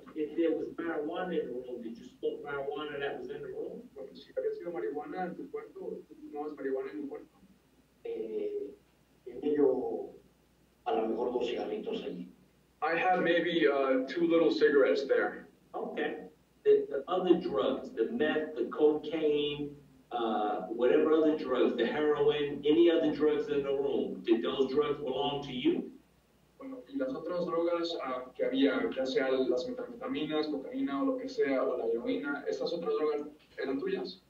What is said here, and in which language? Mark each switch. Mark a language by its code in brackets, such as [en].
[en] If there was marijuana in the room, did you smoke marijuana that was in the room? [es] Bueno, si había sido marihuana en tu cuarto, no es marihuana en tu cuarto. Tenía yo a lo mejor dos cigarritos allí. [en] I have maybe two little cigarettes there. Okay. The other drugs, the meth, the cocaine, whatever other drugs, the heroin, any other drugs in the room, did those drugs belong to you? [es] Y las otras drogas que había, ya sea las metanfetaminas, cocaína o lo que sea, o la heroína, ¿estas otras drogas eran tuyas?